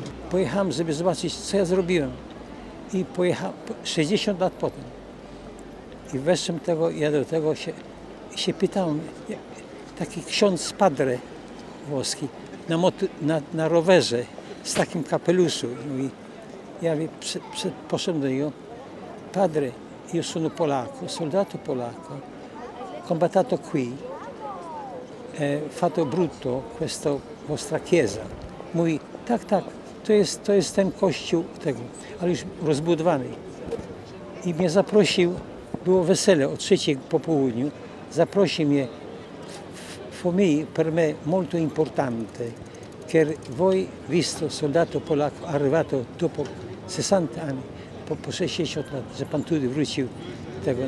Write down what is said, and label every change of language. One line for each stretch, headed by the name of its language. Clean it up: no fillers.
Polish: Pojechałem, żeby zobaczyć, co ja zrobiłem i pojechałem 60 lat potem. I weszłem tego, ja do tego się pytałem, taki ksiądz padre włoski, na rowerze z takim kapeluszu. Mówi, ja poszedłem do niego,
Italian: padre, io sono polaco, soldato polaco, combattato qui, fatto brutto questa vostra chiesa.
Polish: Mówi, tak, to jest ten kościół tego, ale już rozbudowany. I mnie zaprosił, było wesele o 3 po południu, zaprosił mnie.
Italian: Per me molto importante che voi, visto soldato polacco arrivato dopo 60 anni, dopo 60
Polish: lat, że pan tutaj wrócił tego.